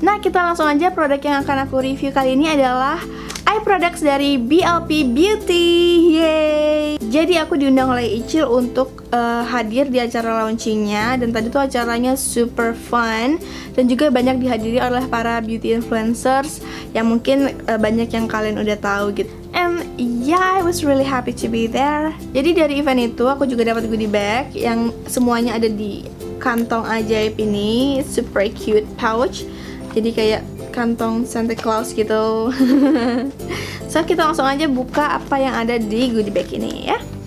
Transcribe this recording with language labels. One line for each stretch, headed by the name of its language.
Indonesian: Nah, kita langsung aja, produk yang akan aku review kali ini adalah eye products dari BLP Beauty. Yay! Jadi aku diundang oleh Icil untuk hadir di acara launchingnya, dan tadi tuh acaranya super fun dan juga banyak dihadiri oleh para beauty influencers yang mungkin banyak yang kalian udah tahu gitu.
English: And yeah, I was really happy to be there.
Indonesian: Jadi dari event itu aku juga dapat goodie bag yang semuanya ada di kantong ajaib ini,
English: super cute pouch.
Indonesian: Jadi kayak kantong Santa Claus gitu. So, kita langsung aja buka apa yang ada di goodie bag ini ya.